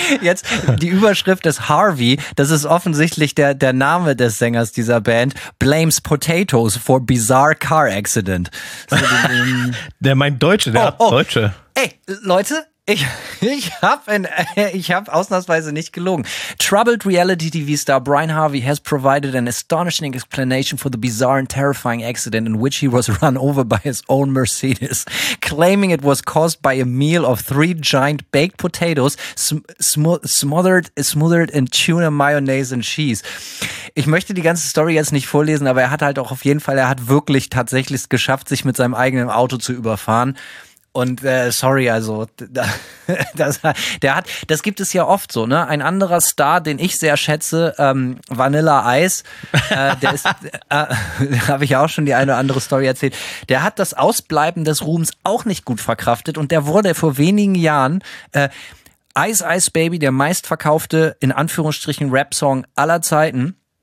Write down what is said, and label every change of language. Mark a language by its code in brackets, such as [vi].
[de] Jetzt, die Überschrift ist Harvey. Das ist offensichtlich der Name des Sängers dieser Band. [en] Blames Potatoes for Bizarre Car Accident. [de] So, der meint Deutsche, der hat Deutsche. Ey, Leute, Ich hab ausnahmsweise nicht gelogen. [en] Troubled Reality TV Star Brian Harvey has provided an astonishing explanation for the bizarre and terrifying accident in which he was run over by his own Mercedes, claiming it was caused by a meal of 3 giant baked potatoes smothered in tuna mayonnaise and cheese. [de] Ich möchte die ganze Story jetzt nicht vorlesen, aber er hat halt auch auf jeden Fall, er hat wirklich tatsächlich es geschafft, sich mit seinem eigenen Auto zu überfahren. Und sorry, also das gibt es ja oft so, ne? Ein anderer Star, den ich sehr schätze, Vanilla Ice, der ist, habe ich auch schon die eine oder andere Story erzählt, der hat das Ausbleiben des Ruhms auch nicht gut verkraftet und der wurde vor wenigen Jahren Ice Ice Baby, der meistverkaufte, in Anführungsstrichen, Rap-Song aller Zeiten.